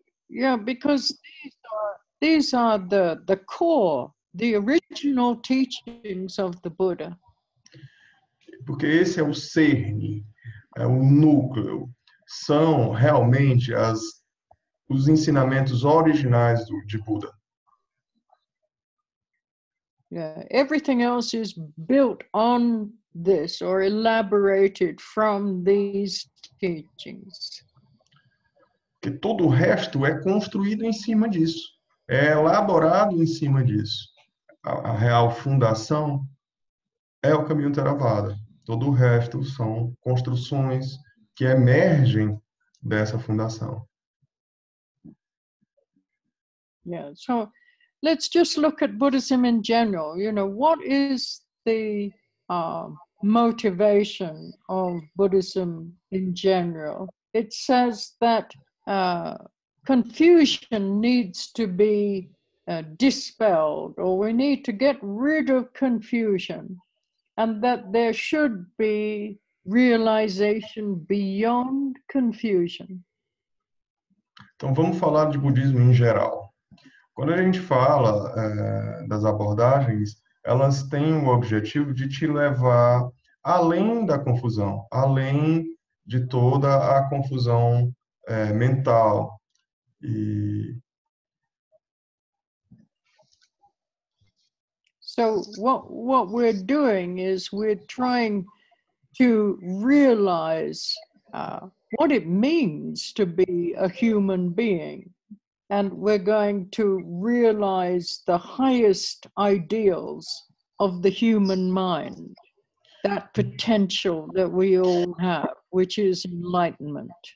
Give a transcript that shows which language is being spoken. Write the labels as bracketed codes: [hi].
[en] Yeah, because these are the core, the original teachings of the Buddha. [pt] Porque esse é o cerne, é o núcleo. São realmente as os ensinamentos originais de Buda. [en] Yeah, everything else is built on this or elaborated from these teachings. [pt] Que todo o resto é construído em cima disso. É elaborado em cima disso. A real fundação é o caminho Teravada. Todo o resto são construções que emergem dessa fundação. [en] Yeah, so let's just look at Buddhism in general. You know, what is the motivation of Buddhism in general? It says that confusion needs to be dispelled, or we need to get rid of confusion, and that there should be realization beyond confusion. [pt] Então vamos falar de budismo em geral. Quando a gente fala das abordagens, elas têm o objetivo de te levar além da confusão, além de toda a confusão mental. E... [en] So, what we're doing is we're trying to realize what it means to be a human being. And we're going to realize the highest ideals of the human mind, that potential that we all have, which is enlightenment.